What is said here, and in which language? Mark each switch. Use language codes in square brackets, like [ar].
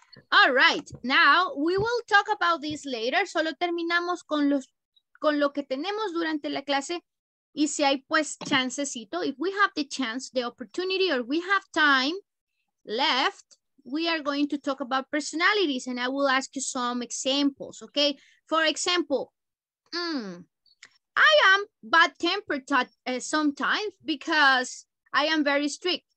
[en] All right, now we will talk about this later. [es] Solo terminamos con lo que tenemos durante la clase. Y si hay pues chancecito, [en] if we have the chance, the opportunity, or we have time left, we are going to talk about personalities and I will ask you some examples, okay? For example, I am bad-tempered sometimes because I am very strict.